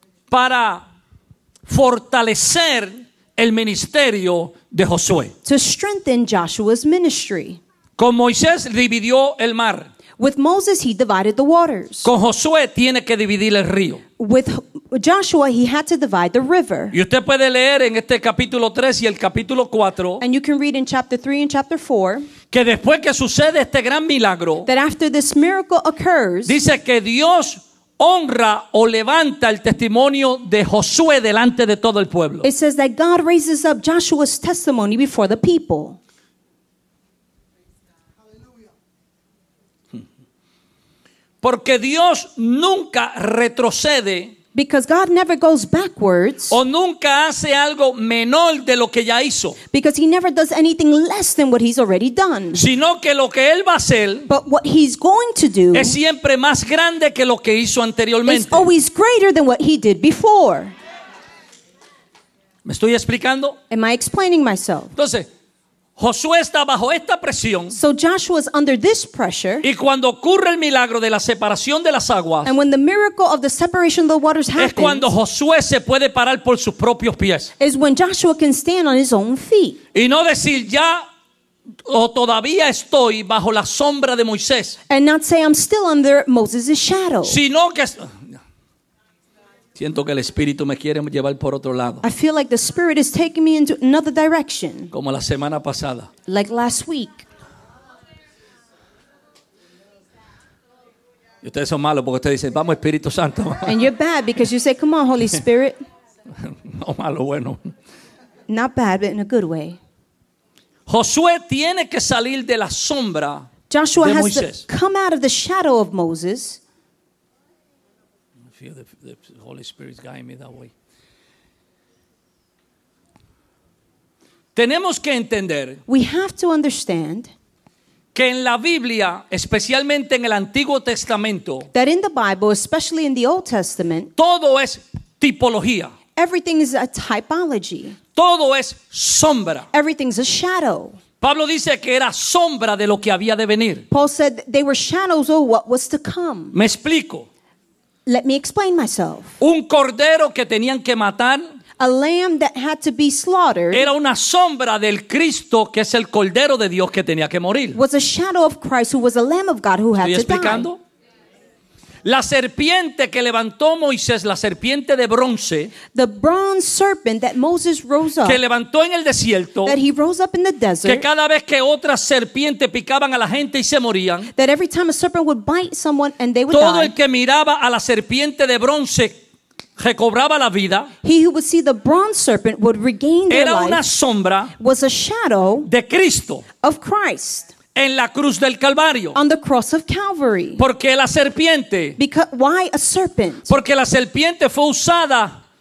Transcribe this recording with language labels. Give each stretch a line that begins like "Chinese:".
Spanish: Para fortalecer el ministerio de Josué.
English: To strengthen Joshua's ministry.
Spanish: Con Moisés dividió el mar.
English: With Moses he divided the waters.
Spanish: Con Josué tiene que dividir el río.
English: With Joshua he had to divide the river.
Spanish: Y usted puede leer en este capítulo 3 y el capítulo 4.
English: And you can read in chapter 3 and chapter 4.
Spanish: Que después que sucede este gran milagro.
English: That after this miracle occurs.
Spanish: Dice que Dios honra o levanta el testimonio de Josué delante de todo el pueblo.
English: It says that God raises up Joshua's testimony before the people.
Spanish: Porque Dios nunca retrocede.
English: Because God never goes backwards.
Spanish: O nunca hace algo menor de lo que ya hizo.
English: Because he never does anything less than what he's already done.
Spanish: Sino que lo que él va a hacer.
English: But what he's going to do.
Spanish: Es siempre más grande que lo que hizo anteriormente.
English: Is always greater than what he did before.
Spanish: ¿Me estoy explicando?
English: Am I explaining myself?
Spanish: Entonces, Josué está bajo esta presión.
English: So Joshua is under this pressure.
Spanish: Y cuando ocurre el milagro de la separación de las aguas.
English: And when the miracle of the separation of the waters happens.
Spanish: Es cuando Josué se puede parar por sus propios pies.
English: Is when Joshua can stand on his own feet.
Spanish: Y no decir ya o todavía estoy bajo la sombra de Moisés.
English: And not say I'm still under Moses' shadow.
Spanish: Sino que siento que el Espíritu me quiere llevar por otro lado.
English: I feel like the Spirit is taking me into another direction.
Spanish: Como la semana pasada.
English: Like last week.
Spanish: Y ustedes son malos porque ustedes dicen, vamos Espíritu Santo.
English: And you're bad because you say, come on Holy Spirit.
Spanish: No malo, bueno.
English: Not bad, but in a good way. Josué tiene que salir de la sombra de Moisés. Joshua has to come out of the shadow of Moses. The Holy Spirit is guiding me that way.
Spanish: Tenemos que entender.
English: We have to understand.
Spanish: Que en la Biblia, especialmente en el Antiguo Testamento.
English: That in the Bible, especially in the Old Testament.
Spanish: Todo es tipología.
English: Everything is a typology.
Spanish: Todo es sombra.
English: Everything's a shadow.
Spanish: Pablo dice que era sombra de lo que había de venir.
English: Paul said they were shadows of what was to come.
Spanish: Me explico.
English: Let me explain myself.
Spanish: Un cordero que tenían que matar.
English: A lamb that had to be slaughtered.
Spanish: Era una sombra del Cristo que es el cordero de Dios que tenía que morir.
English: Was a shadow of Christ who was a lamb of God who had to die.
Spanish: ¿Estoy explicando? La serpiente que levantó Moisés, la serpiente de bronce.
English: The bronze serpent that Moses rose up.
Spanish: Que levantó en el desierto.
English: That he rose up in the desert.
Spanish: Que cada vez que otra serpiente picaban a la gente y se morían.
English: That every time a serpent would bite someone and they would
Spanish: todo Todo el que miraba a la serpiente de bronce recobraba la vida.
English: He who would see the bronze serpent would regain their life.
Spanish: Era una sombra.
English: Was a shadow
Spanish: de Cristo.
English: Of Christ.
Spanish: En la cruz del Calvario.
English: On the cross of Calvary.
Spanish: ¿Por qué la serpiente?
English: Because, why a serpent?
Spanish: Porque la serpiente fue usada.